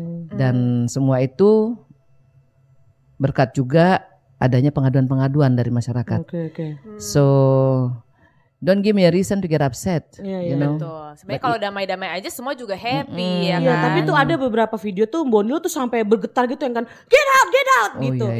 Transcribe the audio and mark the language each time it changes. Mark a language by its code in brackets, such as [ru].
[id] Dan semua itu berkat juga adanya pengaduan-pengaduan dari masyarakat. [en] So don't give me a reason to get upset. [id] Sebenarnya kalau damai-damai aja semua juga happy ya kan. Iya, tapi tuh ada beberapa video tuh Bonnie Lu tuh sampai bergetar gitu yang kan [en] get out [id] gitu.